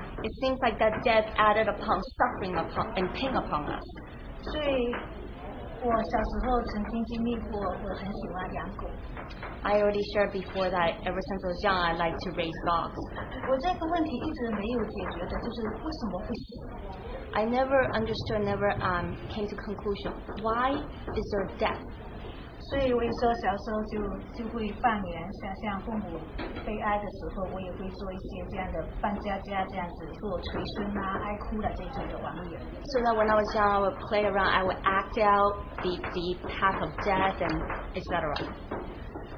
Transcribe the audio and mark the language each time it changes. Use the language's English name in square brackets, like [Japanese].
[English] It seems like that death added upon suffering upon and pain upon us. [Chinese] 所以我小时候曾经经历过，我很喜欢养狗。 [English] I already shared before that ever since I was young, I like to raise dogs. [Chinese] 我这个问题一直没有解决的，就是为什么会死。 [English] I never understood, never came to conclusion. Why is there death? [Chinese] 所以我有时候小时候就会扮演，像父母悲哀的时候，我也会做一些这样的扮家家这样子，做捶胸啊、哀哭的这种的玩意。So [English] that when I was young, I would play around. I would act out the path of death and etc.